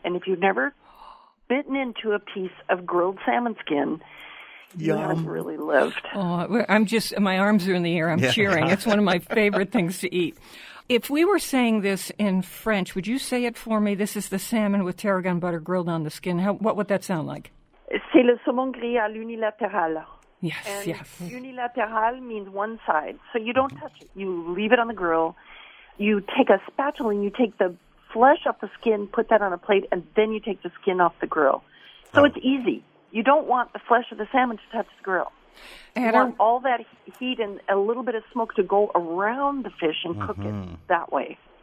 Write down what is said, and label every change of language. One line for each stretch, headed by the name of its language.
English: And if you've never bitten into a piece of grilled salmon skin, Yum. You haven't really lived. Oh, I'm just, my arms are in the air. I'm yeah. cheering. It's one of my favorite things to eat. If we were saying this in French, would you say it for me? This is the salmon with tarragon butter grilled on the skin. What would that sound like?
French: C'est le saumon gris à l'unilatéral.
English: Yes, and yes. Unilatéral means one side. So you don't touch it. You leave it on the grill. You take a spatula and you take the flesh off the skin, put that on a plate, and then you take the skin off the grill. So it's easy. You don't want the flesh of the salmon to touch the grill. And you want all that heat and a little bit of smoke to go around the fish and cook it that way.